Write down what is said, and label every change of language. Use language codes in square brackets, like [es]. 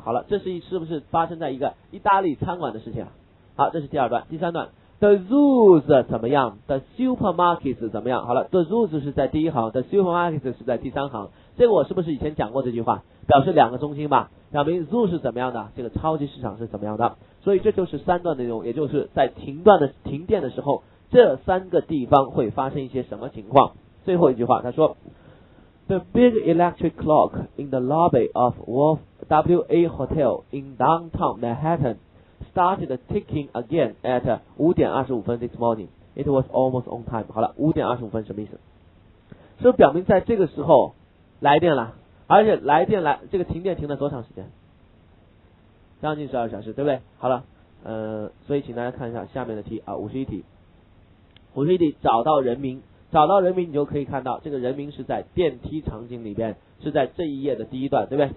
[zh] 好了，这是是不是发生在一个意大利餐馆的事情、啊、好，这是第二段。第三段 The zoos 怎么样， The supermarkets 怎么样。好了， The zoos 是在第一行， The supermarkets 是在第三行，这个我是不是以前讲过这句话，表示两个中心吧，表明 Zoo 是怎么样的，这个超级市场是怎么样的。所以这就是三段内容，也就是在停电的时候，这三个地方会发生一些什么情况。最后一句话他说， [en] The big electric clock in the lobby of Wolf WA Hotel in downtown Manhattan started ticking again at 5:25 this morning. It was almost on time. [zh] 好了，5:25什么意思？是表明在这个时候来电了，而且来电来，这个停电停了多长时间？将近12小时，对不对？好了，所以请大家看一下下面的题啊，51题，找到人名，找到人名，你就可以看到这个人名是在电梯场景里边，是在这一页的第一段，对不对？